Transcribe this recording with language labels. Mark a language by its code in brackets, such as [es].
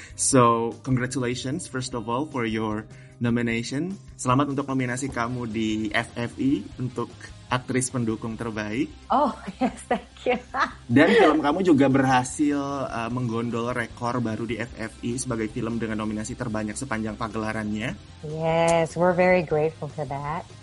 [en] So, congratulations first of all for your nomination. [id] Selamat untuk nominasi kamu di FFI untuk aktris pendukung terbaik. [en] Oh, yes, thank you. [id] Dan film kamu juga berhasil menggondol rekor baru di FFI sebagai film dengan nominasi terbanyak sepanjang pagelarannya. [en] Yes, we're very grateful for that.